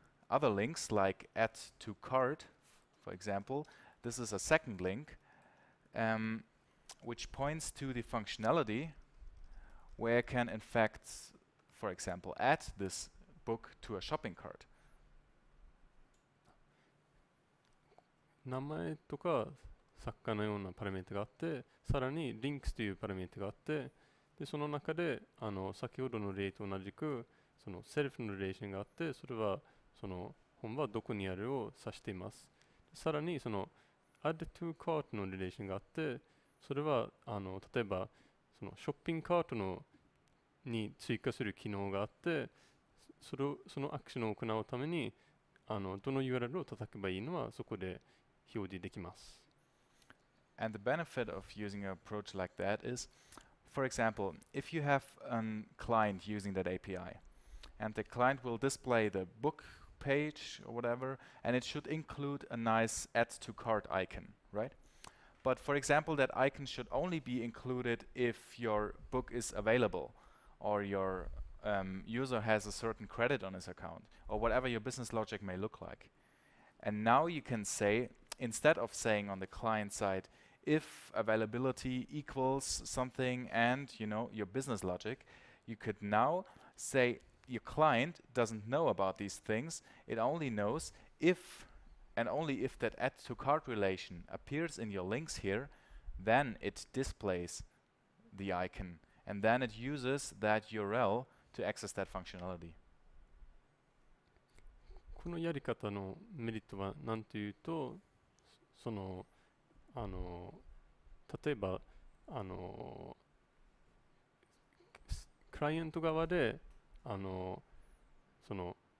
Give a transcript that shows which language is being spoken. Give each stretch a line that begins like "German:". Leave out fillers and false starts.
English: other links like add to cart, for example. This is a second link which points to the functionality where I can in fact, for example, add this book to a shopping cart.
Japanese: 名前とか作家のようなパラメータがあって、さらに links というパラメータがあって、でその中であの先ほどの例と同じくその self のリレーションがあって、それはその本はどこにあるを指しています。さらにその add to cart のリレーションがあって、それはあの例えばそのショッピングカートのに追加する機能があって、それをそのアクションを行うためにあのどの URL を叩けばいいのはそこで表示できます。
English: And the benefit of using an approach like that is, for example, if you have a client using that API, and the client will display the book page or whatever, and it should include a nice add to cart icon, right? But for example, that icon should only be included if your book is available, or your user has a certain credit on his account, or whatever your business logic may look like. And now you can say, instead of saying on the client side, if availability equals something and you know your business logic, you could now say your client doesn't know about these things. It only knows if and only if that add to cart relation appears in your links here, then it displays the icon and then it uses that URL to access that functionality.
Japanese: このやり方のメリットは何というと、その、あの、例えば、あの、クライアント側で、あの、その、